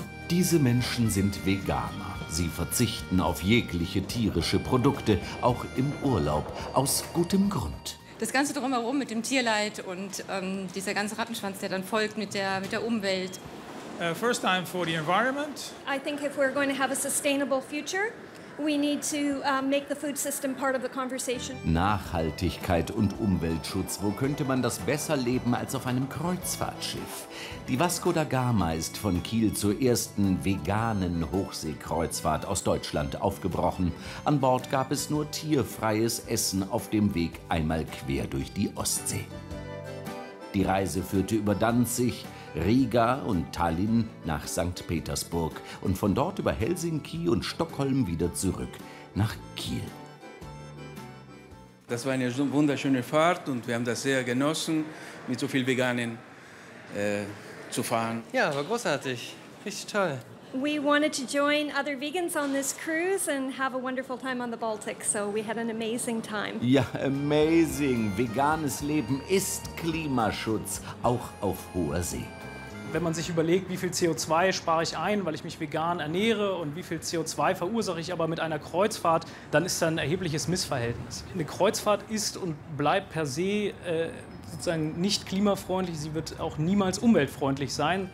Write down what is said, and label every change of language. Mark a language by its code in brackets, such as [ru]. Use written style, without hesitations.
[de] Diese Menschen sind Veganer. Sie verzichten auf jegliche tierische Produkte, auch im Urlaub, aus gutem Grund. Das Ganze drumherum mit dem Tierleid und dieser ganze Rattenschwanz, der dann folgt mit der Umwelt. [en] First time for the environment. I think if we're going to have a sustainable future, we need to make the food system part of the conversation. [de] Nachhaltigkeit und Umweltschutz, wo könnte man das besser leben als auf einem Kreuzfahrtschiff? Die Vasco da Gama ist von Kiel zur ersten veganen Hochseekreuzfahrt aus Deutschland aufgebrochen. An Bord gab es nur tierfreies Essen auf dem Weg einmal quer durch die Ostsee. Die Reise führte über Danzig, Riga und Tallinn nach St. Petersburg und von dort über Helsinki und Stockholm wieder zurück nach Kiel. Das war eine wunderschöne Fahrt und wir haben das sehr genossen, mit so vielen Veganen zu fahren. Ja, war großartig. Richtig toll. [en] We wanted to join other vegans on this cruise and have a wonderful time on the Baltic, so we had an amazing time. [de] Ja, amazing. Veganes Leben ist Klimaschutz, auch auf hoher See. Wenn man sich überlegt, wie viel CO2 spare ich ein, weil ich mich vegan ernähre, und wie viel CO2 verursache ich aber mit einer Kreuzfahrt, dann ist da ein erhebliches Missverhältnis. Eine Kreuzfahrt ist und bleibt per se sozusagen nicht klimafreundlich, sie wird auch niemals umweltfreundlich sein.